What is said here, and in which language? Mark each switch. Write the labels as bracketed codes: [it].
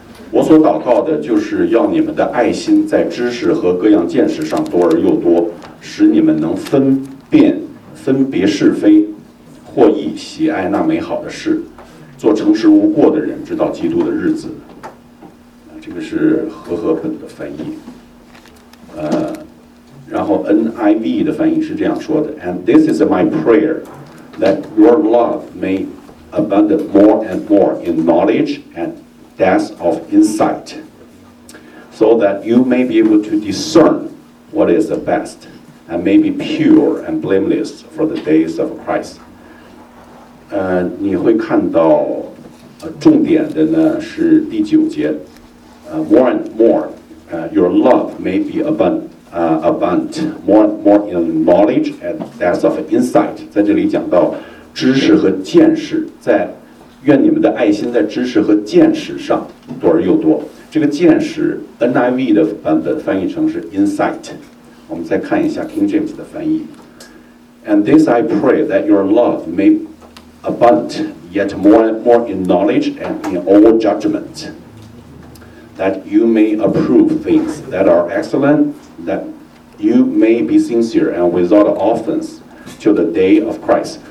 [zh] 我所祷告的就是要你们的爱心在知识和各样见识上多而又多，使你们能分辨分别是非，或意喜爱那美好的事，做诚实无过的人，直到基督的日子。这个是和合本的翻译。然后 NIV 的翻译是这样说的 [en] ：And this is my prayer that your love may abound more and more in knowledge and depth of insight, so that you may be able to discern what is the best and may be pure and blameless for the days of Christ. [zh] 你会看到，重点的呢是第九节， [en] more and more, your love may be abundant, more and more in knowledge and depth of insight. [zh] 在这里讲到知识和见识，在愿你们的爱心在知识和见识上多而又多。这个见识 ，NIV 的版本翻译成是 insight。我们再看一下 King James 的翻译 [en] ，And this I pray that your love may abundant yet more in knowledge and in all judgment, that you may approve things that are excellent, that you may be sincere and without offense till the day of Christ.